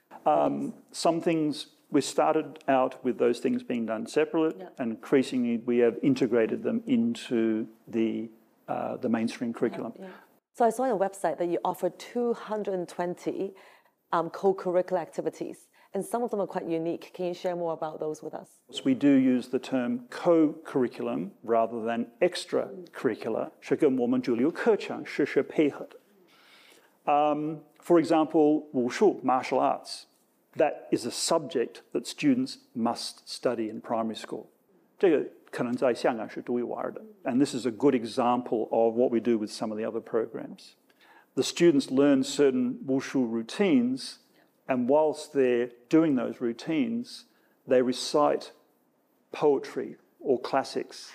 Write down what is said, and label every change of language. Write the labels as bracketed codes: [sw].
[en] Some things, we started out with those things being done separately, and increasingly we have integrated them into the mainstream curriculum. So I saw on your website that you offer 220 co-curricular activities, and some of them are quite unique. Can you share more about those with us? So we do use the term co-curriculum rather than extracurricular. [zh] 是跟我们主流课程实时配合的。 [en] For example, 武术, martial arts, that is a subject that students must study in primary school. [zh] 这个可能在香港是独一无二的, [en] and this is a good example of what we do with some of the other programs. The students learn certain wushu routines, and whilst they're doing those routines, they recite poetry or classics.